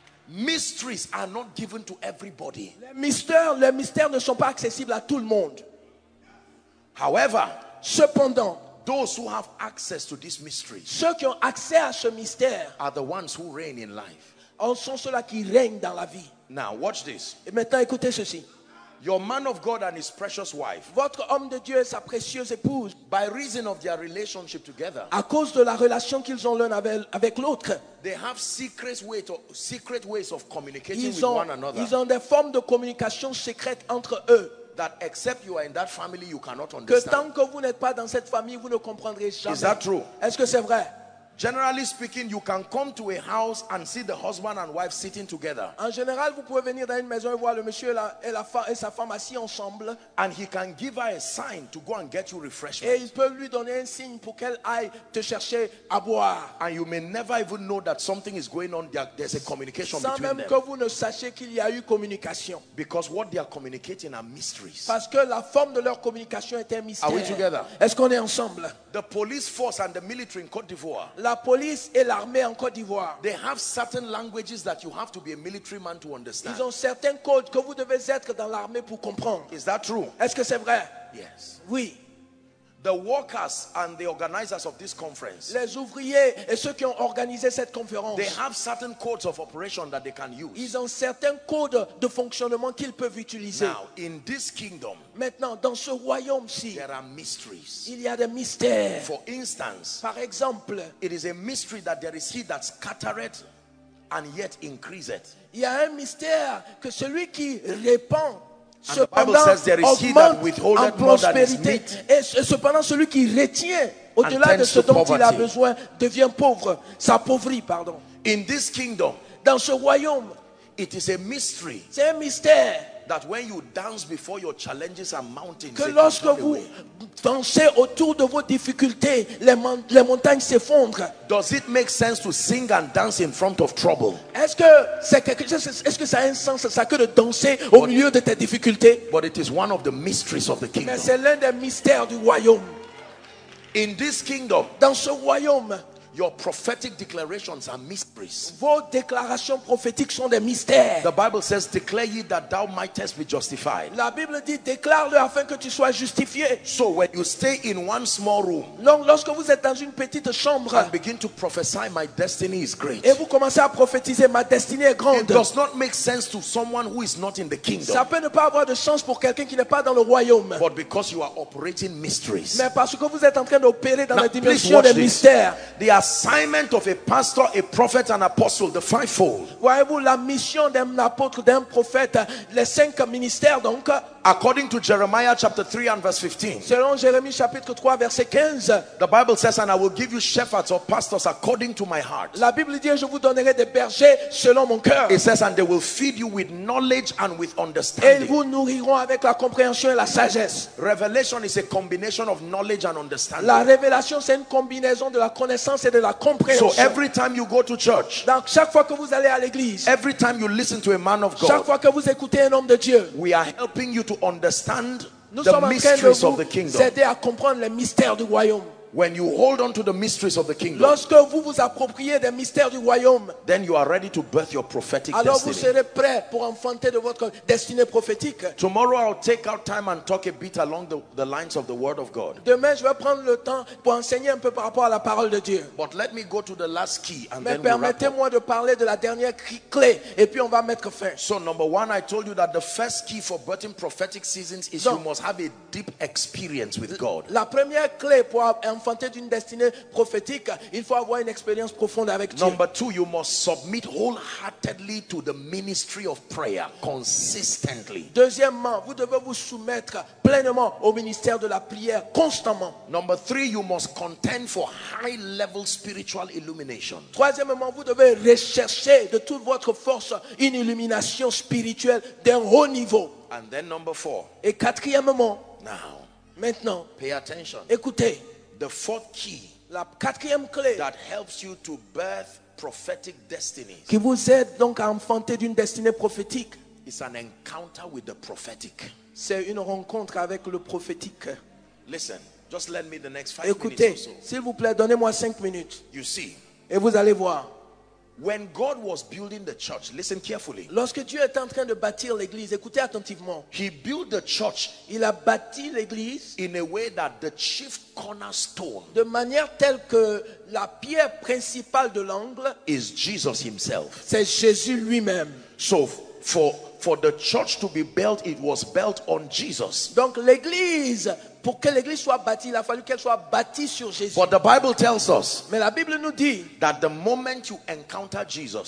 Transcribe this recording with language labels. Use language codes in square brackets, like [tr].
[en] Mysteries are not given to everybody. [fr] Les mystères ne sont pas accessibles à tout le monde. [en] However, [fr] cependant, [en] those who have access to this mystery, [fr] ceux qui ont accès à ce mystère, [en] are the ones who reign in life. [fr] En sont ceux-là qui règnent dans la vie. [en] Now watch this. [fr] Et maintenant écoutez ceci. [en] Your man of God and his precious wife. [fr] Votre homme de Dieu et sa précieuse épouse. [en] By reason of their relationship together. [fr] À cause de la relation qu'ils ont l'un avec l'autre. [en] They have secret ways of communicating with one another. [fr] Ils ont des formes de communication secrètes entre eux. [en] That except you are in that family, you cannot understand. [fr] Que tant que vous n'êtes pas dans cette famille, vous ne comprendrez jamais. [en] Is that true? [fr] Est-ce que c'est vrai? [en] Generally speaking, you can come to a house and see the husband and wife sitting together. [fr] En général, vous pouvez venir dans une maison et voir le monsieur et sa femme assis ensemble. [en] And he can give her a sign to go and get you refreshment. [fr] Et il peut lui donner un signe pour qu'elle aille te chercher à boire. [en] And you may never even know that something is going on. There's a communication between them. [fr] Sans même que vous ne sachiez qu'il y a eu communication. [en] Because what they are communicating are mysteries. [fr] Parce que la forme de leur communication est un mystère. [en] Are we together? [fr] Est-ce qu'on est ensemble? [en] The police force and the military in Côte d'Ivoire. [fr] La police et l'armée en Côte d'Ivoire. [en] They have certain languages that you have to be a military man to understand. [fr] Ils ont certains codes que vous devez être dans l'armée pour comprendre. [en] Is that true? [fr] Est-ce que c'est vrai? [en] Yes. [fr] Oui. [en] The workers and the organizers of this conference. [fr] Les ouvriers et ceux qui ont organisé cette conférence. [en] They have certain codes of operation that they can use. [fr] Ils ont certains codes de fonctionnement qu'ils peuvent utiliser. [en] Now, in this kingdom. [fr] Maintenant, dans ce royaume-ci. [en] There are mysteries. [fr] Il y a des mystères. [en] For instance. [fr] Par exemple. [en] It is a mystery that there is he that scattereth and yet increaseth. [fr] Il y a un mystère que celui qui répand. [en] And the Bible says there is he that withholdeth more than his meat. [fr] Cependant, celui qui retient au-delà de ce dont il a besoin devient pauvre. S'appauvrit, pardon. [en] In this kingdom, [fr] dans ce royaume, [en] it is a mystery. [fr] C'est un mystère. [en] That when you dance before your challenges and mountains, [fr] que lorsque vous dansez autour de vos difficultés, les montagnes s'effondrent. [en] Does it make sense to sing and dance in front of trouble? [fr] Est-ce que ça a un sens ça que de danser au milieu de tes difficultés? [en] But it is one of the mysteries of the kingdom. [fr] Mais c'est l'un des mystères du royaume. [en] In this kingdom, [fr] dans ce royaume, [en] your prophetic declarations are mysteries. [fr] Vos déclarations prophétiques sont des mystères. [en] The Bible says, declare ye that thou mightest be justified. [fr] La Bible dit, déclare-le afin que tu sois justifié. [en] So when you stay in one small room, [fr] donc lorsque vous êtes dans une petite chambre, [en] and begin to prophesy, my destiny is great. [fr] Et vous commencez à prophétiser, ma destinée est grande. [en] It does not make sense to someone who is not in the kingdom. [fr] Ça peut ne pas avoir de sens pour quelqu'un qui n'est pas dans le royaume. [en] But because you are operating mysteries. [fr] Mais parce que vous êtes en train d'opérer dans la dimension des mystères. [en] The assignment of a pastor, a prophet, an apostle, the fivefold. [fr] Voyez-vous la mission d'un apôtre, d'un prophète, les cinq ministères donc. [en] According to Jeremiah chapter 3 and verse 15. [fr] Selon Jérémie chapitre 3 verset 15. [en] The Bible says, and I will give you shepherds or pastors according to my heart. [fr] La Bible dit, je vous donnerai des bergers selon mon cœur. [en] It says, and they will feed you with knowledge and with understanding. [fr] Et ils vous nourriront avec la compréhension et la sagesse. [en] Revelation is a combination of knowledge and understanding. [fr] La révélation c'est une combinaison de la connaissance et de la compréhension. [en] So every time you go to church. [fr] Donc chaque fois que vous allez à l'église. [en] Every time you listen to a man of God. [fr] Chaque fois que vous écoutez un homme de Dieu. [en] We are helping you to understand [fr] nous [en] the mysteries of the kingdom. [fr] Aider à comprendre les mystères du royaume. [en] When you hold on to the mysteries of the kingdom, [fr] lorsque vous vous appropriez des mystères du royaume, [en] then you are ready to birth your prophetic [fr] alors [en] destiny. [fr] Alors vous serez prêt pour enfanter de votre destinée prophétique. [en] Tomorrow I'll take out time and talk a bit along the lines of the word of God. [fr] Demain je vais prendre le temps pour enseigner un peu par rapport à la parole de Dieu. [en] But let me go to the last key and [fr] mais [en] then we'll wrap up. [fr] Mais permettez-moi de parler de la dernière clé et puis on va mettre fin. [en] So number one, I told you that the first key for birthing prophetic seasons is donc, you must have a deep experience with God. [fr] La première clé pour enfanté d'une destinée prophétique, il faut avoir une expérience profonde avec Dieu. [en] Number two, you must submit wholeheartedly to the ministry of prayer consistently. [fr] Deuxièmement, vous devez vous soumettre pleinement au ministère de la prière constamment. [en] Number three, you must contend for high-level spiritual illumination. [fr] Troisièmement, vous devez rechercher de toute votre force une illumination spirituelle d'un haut niveau. [en] And then number four. [fr] Et quatrièmement, [en] now, [fr] maintenant, [en] pay attention. [fr] Écoutez. [en] The fourth key, [fr] la quatrième clé, [en] that helps you to birth prophetic destinies, [fr] qui vous aide donc à enfanter d'une destinée prophétique, [en] is an encounter with the prophetic. [fr] C'est une rencontre avec le prophétique. [en] Listen, just lend me the next five [fr] écoutez, [en] minutes or so. [fr] S'il vous plaît, donnez-moi 5 minutes. [en] You see, [fr] et vous allez voir. [en] When God was building the church, listen carefully. [fr] Lorsque Dieu est en train de bâtir l'église, écoutez attentivement. [en] He built the church. [fr] Il a bâti l'église [en] in a way that the chief cornerstone, [fr] de manière telle que la pierre principale de l'angle, [en] is Jesus himself. [fr] C'est Jésus lui-même. [en] So for the church to be built, it was built on Jesus. [fr] Donc l'église, pour que l'église soit bâtie, il a fallu qu'elle soit bâtie sur Jésus. [en] But the Bible tells us, [fr] mais la Bible nous dit, [en] that the moment you encounter Jesus,